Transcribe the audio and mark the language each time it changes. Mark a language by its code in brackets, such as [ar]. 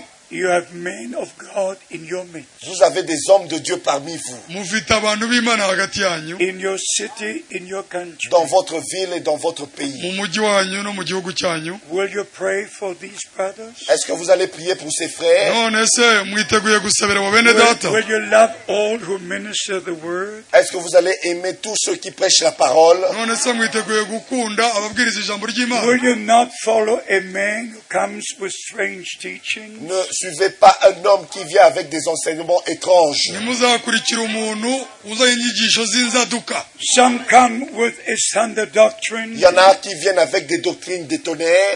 [en] You have men of God in your midst. [fr] Vous avez des hommes de Dieu parmi vous. [en] In your city, in your country. [fr] Dans votre ville et dans votre pays. [en] Will you pray for these brothers? [fr] Est-ce que vous allez prier pour ces frères? [en] Will you love all who minister the word? [fr] Est-ce que vous allez aimer tous ceux qui prêchent la parole? [en] Will you not follow a man who comes with strange teachings? [fr] Ne suivez pas un homme qui vient avec des enseignements étranges. [en] Some come with a thunder doctrine. [fr] Il y en a qui viennent avec des doctrines des tonnerres.